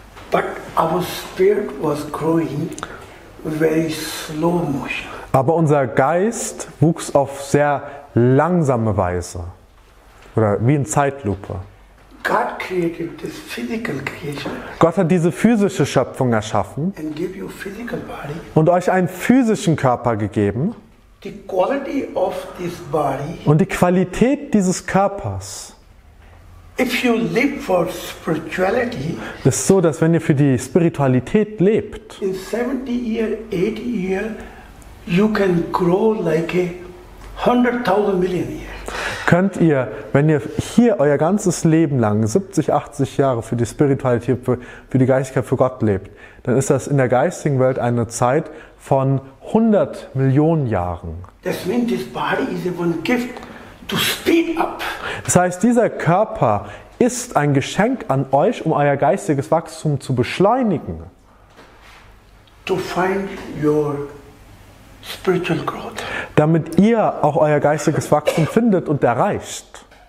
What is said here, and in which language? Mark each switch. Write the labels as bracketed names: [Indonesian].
[English] But our spirit was growing very slow motion. [German] Aber unser Geist wuchs auf sehr langsame Weise. Oder wie in Zeitlupe. [English] God created this physical creation. [German] Gott hat diese physische Schöpfung erschaffen. [English] And give you physical body. [German] Und euch einen physischen Körper gegeben. [English] The quality of this body, [German] und die Qualität dieses Körpers. [English] If you live for spirituality, [German] ist so, dass wenn ihr für die Spiritualität lebt, [English] in 70 year, 80 year, you can grow like a 100,000 million years. [German] Könnt ihr, wenn ihr hier euer ganzes Leben lang 70, 80 Jahre für die Spiritualität, für die Geistigkeit, für Gott lebt, dann ist das in der geistigen Welt eine Zeit von 100 Millionen Jahren. [English] That means this body is a one gift to speed up. [German] Das heißt, dieser Körper ist ein Geschenk an euch, um euer geistiges Wachstum zu beschleunigen. [English] To find your spiritual growth. [German] Damit ihr auch euer geistiges Wachstum findet und erreicht.